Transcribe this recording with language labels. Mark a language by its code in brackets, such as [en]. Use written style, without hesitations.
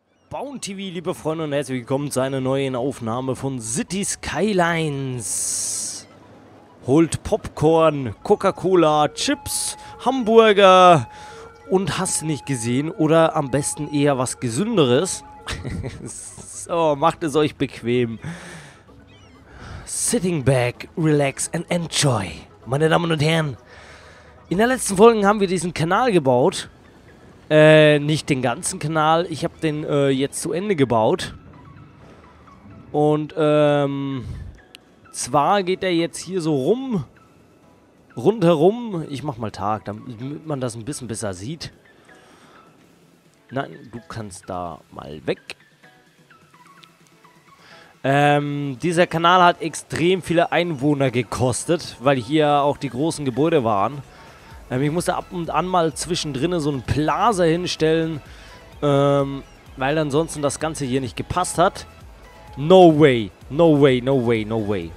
[de] Bounty, liebe Freunde, und herzlich willkommen zu einer neuen Aufnahme von City Skylines. Holt Popcorn, Coca-Cola, Chips, Hamburger und hast du nicht gesehen oder am besten eher was Gesünderes. So, macht es euch bequem. [en] Sitting back, relax and enjoy. [de] Meine Damen und Herren, in der letzten Folge haben wir diesen Kanal gebaut. Nicht den ganzen Kanal, ich habe den jetzt zu Ende gebaut. Und zwar geht er jetzt hier so rum, rundherum. Ich mach mal Tag, damit man das ein bisschen besser sieht. Nein, du kannst da mal weg. Dieser Kanal hat extrem viele Einwohner gekostet, weil hier auch die großen Gebäude waren. Ich musste ab und an mal zwischendrin so einen Plaza hinstellen, weil ansonsten das Ganze hier nicht gepasst hat. [en] No way, no way, no way, no way.